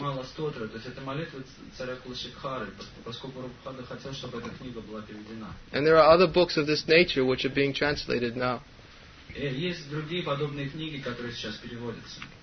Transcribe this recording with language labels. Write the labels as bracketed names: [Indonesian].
[Russian] Mala Stotra, то есть это молитва царя Кулашекхары, поскольку Прабхупада хотел, чтобы эта книга была переведена. [English] And there are other books of this nature which are being translated now. [Russian] Есть другие подобные книги, которые сейчас переводятся.